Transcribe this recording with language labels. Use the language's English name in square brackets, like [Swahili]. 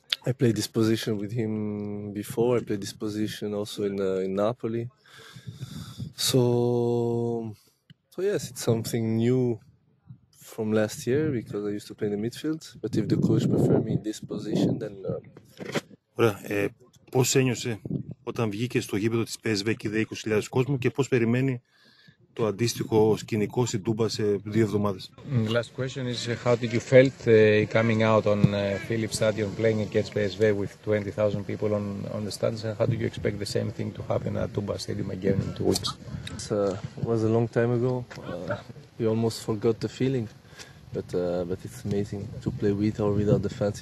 [English] I played this position with him before. I played this position also in Napoli. So yes, it's something new from last year because I used to play in the midfield. But if the coach prefer me in this position, then. [Greek] Ωραία. Πώς ένιωσε όταν βγήκε στο γήπεδο της PSV και είδε 20.000 κόσμο και πώς περιμένει το αντίστοιχο σκηνικό στην Τούμπα σε 2 εβδομάδες. [English] The last question is how did you felt coming out on Philips Stadion playing against PSV with 20,000 people on the stands, and how do you expect the same thing to happen at Tuba Stadium again in 2 weeks? It was a long time ago. We almost forgot the feeling, but it's amazing to play with or without the fans.